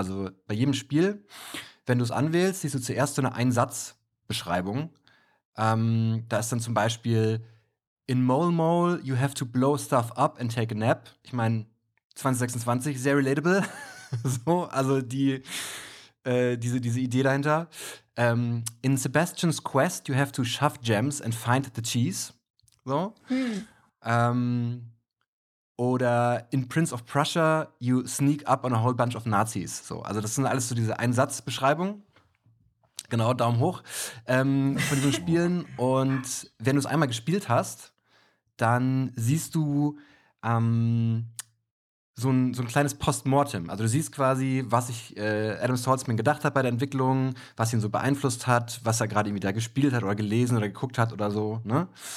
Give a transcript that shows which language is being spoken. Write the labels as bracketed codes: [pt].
[de] Also bei jedem Spiel, wenn du es anwählst, siehst du zuerst so eine Einsatzbeschreibung. Da ist dann zum Beispiel, [en] in Mole Mole, you have to blow stuff up and take a nap. [de] Ich meine, 2026, sehr relatable. So, also diese Idee dahinter. [en] In Sebastian's Quest, you have to shove gems and find the cheese. [de] So. Oder [en] in Prince of Prussia, you sneak up on a whole bunch of Nazis. [de] So, also das sind alles so diese Einsatzbeschreibung. Genau, Daumen hoch. Von diesen Spielen. Und wenn du es einmal gespielt hast, dann siehst du so ein kleines Postmortem. Also du siehst quasi, was sich Adam Saltzman gedacht hat bei der Entwicklung, was ihn so beeinflusst hat, was er gerade irgendwie da gespielt hat oder gelesen oder geguckt hat oder so. Ne?